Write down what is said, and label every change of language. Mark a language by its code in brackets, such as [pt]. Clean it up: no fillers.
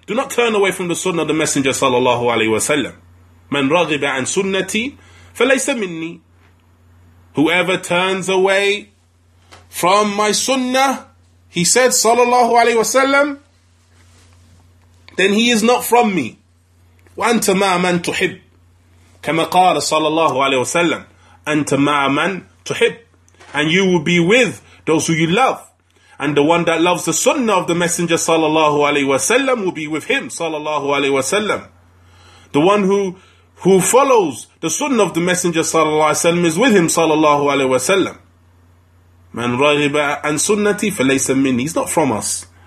[en] Do not turn away from the sunnah of the Messenger sallallahu alaihi wasallam. [ar] Man raghiba an sunnati falaysa minni. [en] Whoever turns away from my sunnah, he said, sallallahu alaihi wasallam, then he is not from me. [ar] وَأَنْتَ مَا مَنْ تُحِبْ كَمَا قَالَ صَلَى اللَّهُ عَلَيْهِ وَسَلَّمْ أَنْتَ مَا مَنْ تُحِبْ. [en] And you will be with those who you love. And the one that loves the sunnah of the Messenger sallallahu alaihi wasallam will be with him sallallahu alaihi wasallam. The one who follows the sunnah of the Messenger sallallahu alaihi wasallam is with him sallallahu alaihi wasallam. [ar] Man raghiba an sunnati falaysa minni. [en] He's not from us.